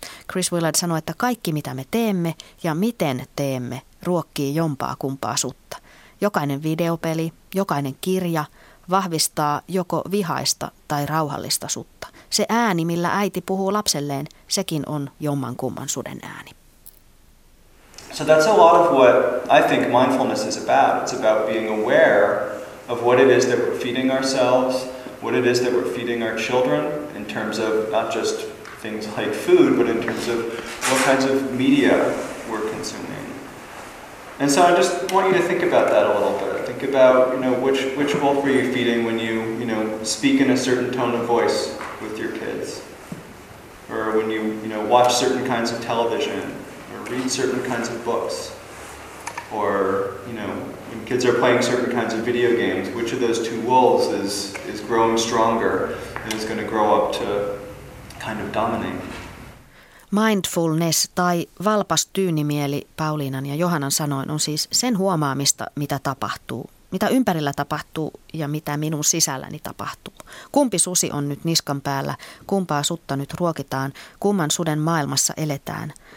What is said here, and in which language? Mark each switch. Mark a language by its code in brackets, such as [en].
[fi] Chris Willard sanoi, että kaikki mitä me teemme ja miten teemme, ruokkii jompaa kumpaa sutta. Jokainen videopeli, jokainen kirja vahvistaa joko vihaista tai rauhallista sutta. Se ääni, millä äiti puhuu lapselleen, sekin on jommankumman suden ääni. [en] So that's a lot of what I think mindfulness is about. It's about being aware of what it is that we're feeding ourselves, what it is that we're feeding our children, in terms of not just things like food, but in terms of what kinds of media we're consuming. And so I just want you to think about that a little bit. Think about, you know, which wolf are you feeding when you, you know, speak in a certain tone of voice with your kids? Or when you, you know, watch certain kinds of television, or read certain kinds of books, or, you know, when kids are playing certain kinds of video games, which of those two wolves is growing stronger and is going to grow up to kind of dominate? [fi] Mindfulness tai valpas tyynimieli Pauliinan ja Johannan sanoin on siis sen huomaamista, mitä tapahtuu, mitä ympärillä tapahtuu ja mitä minun sisälläni tapahtuu. Kumpi susi on nyt niskan päällä, kumpaa sutta nyt ruokitaan, kumman suden maailmassa eletään.